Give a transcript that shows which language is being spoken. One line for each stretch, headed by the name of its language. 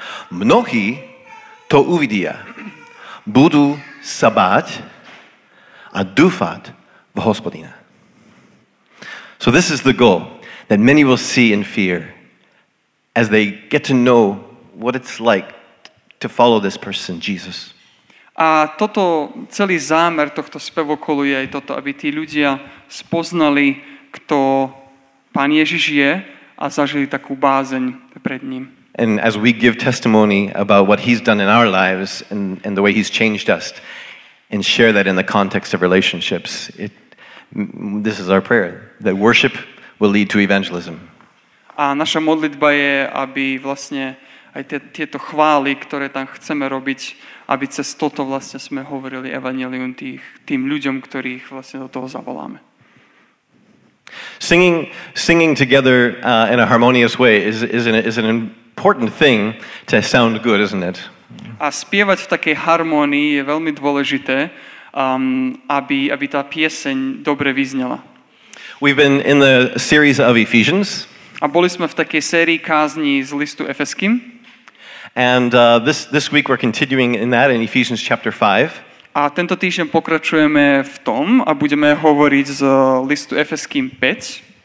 Slovak: Mnohí to uvidia, budú sa báť a dúfať v Hospodina.
English: So this is the goal that many will see and fear as they get to know what it's like to follow this person, Jesus.
Slovak: A toto celý zámer tohto spevokolu je aj toto, aby tí ľudia spoznali, kto Pán Ježiš je a zažili takú bázeň pred ním.
English: And as we give testimony about what he's done in our lives and the way he's changed us and share that in the context of relationships, this is our prayer, that worship will lead to evangelism.
Slovak: A naša modlitba je, aby vlastne aj tieto chvály, ktoré tam chceme robiť, aby cez toto vlastne sme hovorili evanjelium tým ľuďom, ktorých vlastne do toho zavoláme.
English: Singing together in a harmonious way is an important thing to sound good, isn't it?
Slovak: A spievať v takej harmonii je veľmi dôležité, aby tá pieseň dobre vyznela.
English: We've been in the series of Ephesians.
Slovak: A boli sme v takej sérii kázni z listu Efeským.
English: And this week we're continuing in that in Ephesians chapter 5.
Slovak: A tento týždeň pokračujeme v tom a budeme hovoriť z listu Efeským 5.